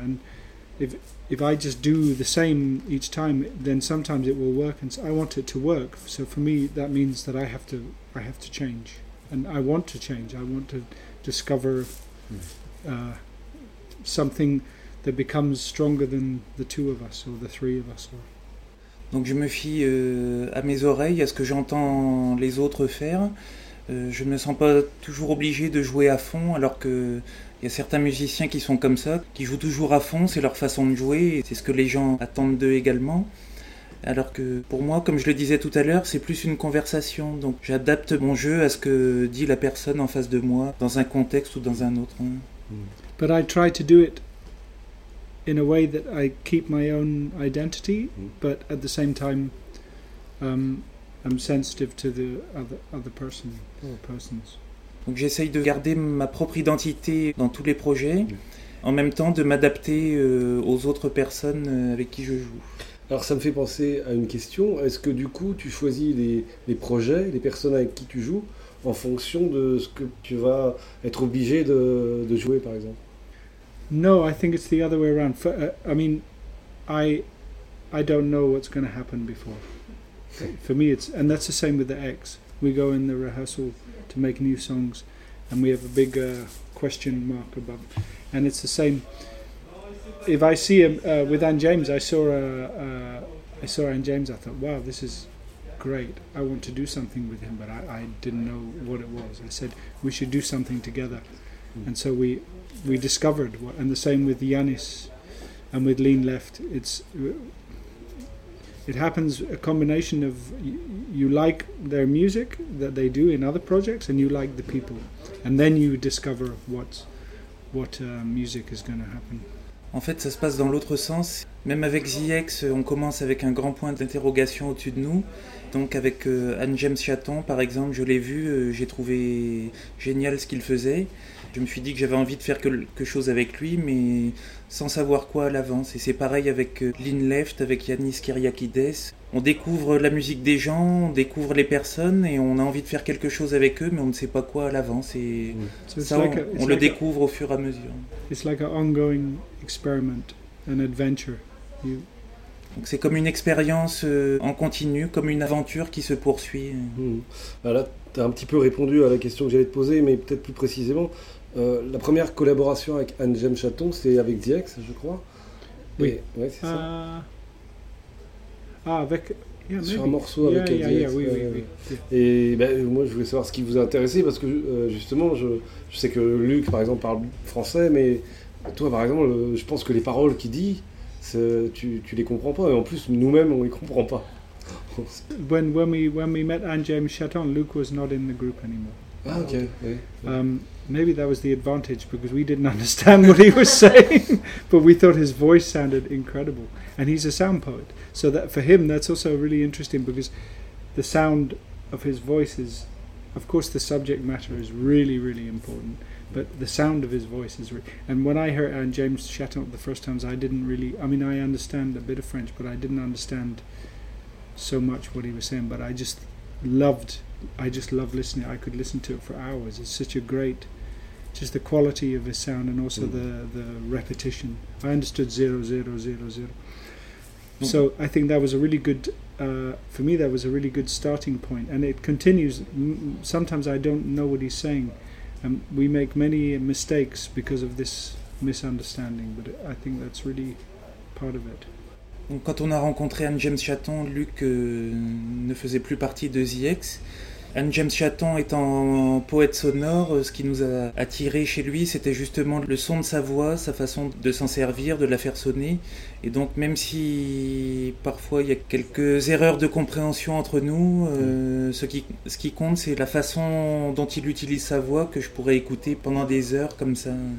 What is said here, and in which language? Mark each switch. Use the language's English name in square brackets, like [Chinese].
[English] And if I just do the same each time, then sometimes it will work. And so I want it to work. So for me, that means that I have to change, and I want to change. I want to discover something. That becomes stronger than the two of us or the three of us. [French] Donc je me fie à mes oreilles, à ce que j'entends les autres faire. Je ne me sens pas toujours obligé de jouer à fond, alors qu'il y a certains musiciens qui sont comme ça, qui jouent toujours à fond, c'est leur façon de jouer, et c'est ce que les gens attendent d'eux également. Alors que pour moi, comme je le disais tout à l'heure, c'est plus une conversation. Donc j'adapte mon jeu à ce que dit la personne en face de moi, dans un contexte ou dans un autre. [English] But I try to do it in a way that I keep my own identity, but at the same time, I'm sensitive to the other person or persons. [French] Donc j'essaye de garder ma propre identité dans tous les projets, en même temps de m'adapter aux autres personnes avec qui je joue. Alors ça me fait penser à une question, est-ce que du coup tu choisis les projets, les personnes avec qui tu joues, en fonction de ce que tu vas être obligé de jouer par exemple? [English] No, I think it's the other way around. For, I mean, I don't know what's going to happen before. For me, it's, and that's the same with the X. We go in the rehearsal to make new songs, and we have a big question mark above. And it's the same. If I see him with Anne James, I saw Anne James. I thought, wow, this is great. I want to do something with him, but I didn't know what it was. I said we should do something together, and so we discovered what. And the same with Yanis, and with Lean Left. It happens a combination of you like their music that they do in other projects, and you like the people, and then you discover what music is going to happen. [French] En fait, ça se passe dans l'autre sens. Même avec ZX, on commence avec un grand point d'interrogation au-dessus de nous. Donc avec Anne James Chaton, par exemple, je l'ai vu, j'ai trouvé génial ce qu'il faisait. Je me suis dit que j'avais envie de faire quelque chose avec lui, mais sans savoir quoi à l'avance. Et c'est pareil avec Lean Left, avec Yanis Kyriakides. On découvre la musique des gens, on découvre les personnes, et on a envie de faire quelque chose avec eux, mais on ne sait pas quoi à l'avance. Et ça, on le découvre au fur et à mesure. [English] It's like an ongoing experiment, an adventure. [French] Donc c'est comme une expérience en continu, comme une aventure qui se poursuit. Voilà. T'as un petit peu répondu à la question que j'allais te poser, mais peut-être plus précisément, la première collaboration avec Anne James Chaton, c'était avec ZX, je crois. Oui. Ouais, c'est ça. Avec. [English] Yeah, [French] sur un morceau avec ZX. Oui. Et ben, moi, je voulais savoir ce qui vous intéressait, parce que justement, je sais que Luc, par exemple, parle français, mais toi, par exemple, je pense que les paroles qu'il dit, tu les comprends pas, et en plus, nous-mêmes, on les comprend pas. [English] When we met Anne James Chaton, Luke was not in the group anymore. Ah, okay. Maybe that was the advantage because we didn't understand what he was saying, but we thought his voice sounded incredible. And he's a sound poet, so that for him that's also really interesting because the sound of his voice is, of course, the subject matter is really really important, but the sound of his voice is. And when I heard Anne James Chaton the first times, I understand a bit of French, but I didn't understand so much what he was saying, but I just loved listening. I could listen to it for hours. It's such a great, just the quality of his sound and also the repetition. I understood 0000. So I think that was a really good, for me that was a really good starting point. And it continues, sometimes I don't know what he's saying. And we make many mistakes because of this misunderstanding, but I think that's really part of it. [French] Donc quand on a rencontré Anne James Chaton, Luc ne faisait plus partie de ZX. Anne James Chaton étant poète sonore, ce qui nous a attiré chez lui, c'était justement le son de sa voix, sa façon de s'en servir, de la faire sonner. Et donc même si parfois il y a quelques erreurs de compréhension entre nous, ce qui compte c'est la façon dont il utilise sa voix que je pourrais écouter pendant des heures comme ça.